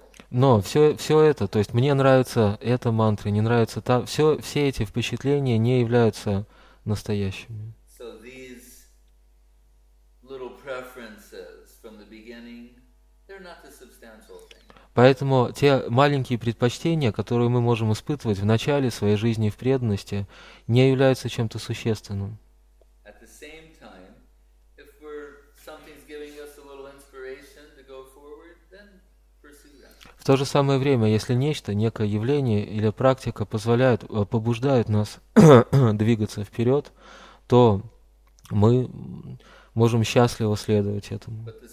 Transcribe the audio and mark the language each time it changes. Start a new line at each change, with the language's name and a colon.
Russian: Но все это, то есть мне нравится эта мантра, не нравится та, все эти впечатления не являются настоящими.
English: So these little preferences from the beginning, they're not the substantial thing.
Russian: Поэтому те маленькие предпочтения, которые мы можем испытывать в начале своей жизни в преданности, не являются чем-то существенным. В то же самое время, если нечто, некое явление или практика позволяет, побуждает нас двигаться вперед, то мы можем счастливо следовать этому.